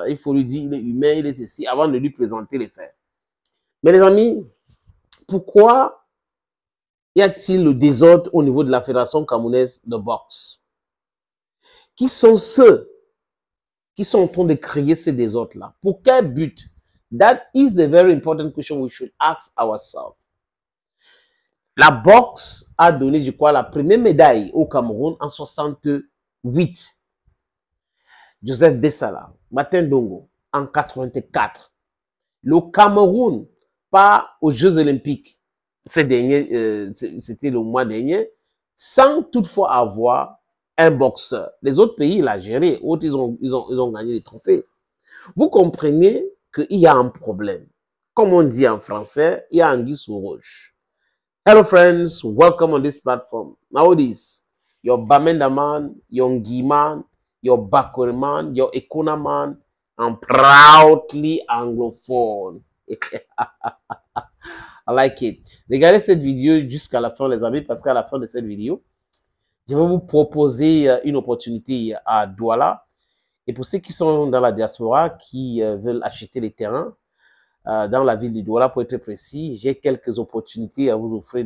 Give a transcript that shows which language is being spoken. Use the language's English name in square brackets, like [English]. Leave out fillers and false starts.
[French] Il faut lui dire il est humain, il est ceci, avant de lui présenter les faits. Mais les amis, pourquoi y a-t-il le désordre au niveau de la Fédération Camerounaise de boxe? Qui sont ceux qui sont en train de créer ces désordres-là? Pour quel but? [English] That is a very important question we should ask ourselves. [French] La boxe a donné, je crois, la première médaille au Cameroun en 68. Joseph Bessala, Martin Dongo, en 84. Le Cameroun, pas aux Jeux Olympiques, c'était le mois dernier, sans toutefois avoir un boxeur. Les autres pays, l'Algérie, autres, ils ont gagné des trophées. Vous comprenez qu'il y a un problème. Comme on dit en français, il y a un guise au roche. [English] Hello friends, welcome on this platform. Now this, your Bamenda man, your Ngui man, your Bakore man, your Ekona man, I'm proudly anglophone. I like it. [French] Regardez cette vidéo jusqu'à la fin, les amis, parce qu'à la fin de cette vidéo, je vais vous proposer une opportunité à Douala. Et pour ceux qui sont dans la diaspora, qui veulent acheter les terrains dans la ville de Douala, pour être précis, j'ai quelques opportunités à vous offrir.